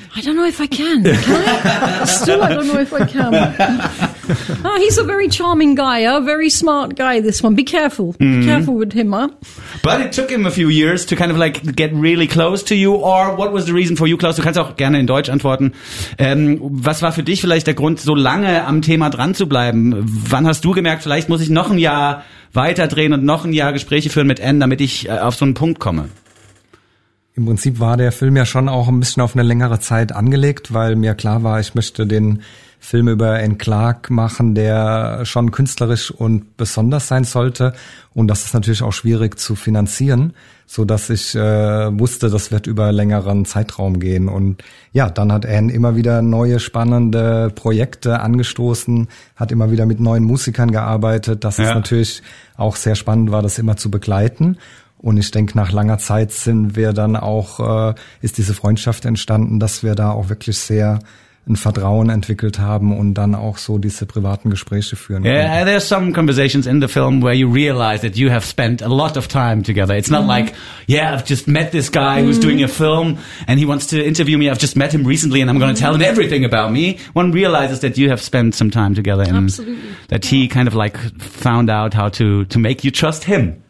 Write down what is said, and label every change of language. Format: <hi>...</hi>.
<en>I don't know if I can. Can I? Still, I don't know if I can. Oh, he's a very charming guy, a very smart guy, this one. Be careful. Mm-hmm. Be careful with him, huh? But it took him a few years to kind of like get really close to you. Or what was the reason for you, Klaus?</en> <de>Du kannst auch gerne in Deutsch antworten. Was war für dich vielleicht der Grund, so lange am Thema dran zu bleiben? Wann hast du gemerkt, vielleicht muss ich noch ein Jahr weiterdrehen und noch ein Jahr Gespräche führen mit Anne, damit ich auf so einen Punkt komme? Im Prinzip war der Film ja schon auch ein bisschen auf eine längere Zeit angelegt, weil mir klar war, ich möchte den Film über Ann Clark machen, der schon künstlerisch und besonders sein sollte. Und das ist natürlich auch schwierig zu finanzieren, so dass ich wusste, das wird über längeren Zeitraum gehen. Und ja, dann hat Ann immer wieder neue spannende Projekte angestoßen, hat immer wieder mit neuen Musikern gearbeitet. Das ist natürlich auch sehr spannend war, das immer zu begleiten. Und ich denke, nach langer Zeit sind wir dann auch, ist diese Freundschaft entstanden, dass wir da auch wirklich sehr ein Vertrauen entwickelt haben und dann auch so diese privaten Gespräche führen.</de> <en>Yeah, there's some conversations in the film where you realize that you have spent a lot of time together. It's not like, yeah, I've just met this guy who's doing a film and he wants to interview me. I've just met him recently and I'm going to tell him everything about me. One realizes that you have spent some time together and Absolutely. That he kind of like found out how to make you trust him.</en>